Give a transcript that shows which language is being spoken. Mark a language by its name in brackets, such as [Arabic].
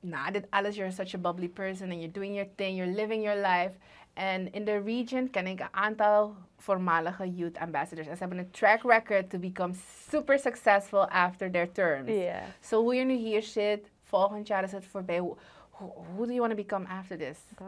[Dutch] Dit alles, [English] you're such a bubbly person and you're doing your thing, you're living your life. [Dutch] En in de region ken ik een aantal voormalige youth ambassadors. En ze hebben een [English] track record to become super successful after their terms. [Dutch] So hoe je nu hier zit, volgend jaar is het voorbij. [English] Who do you want to become after this?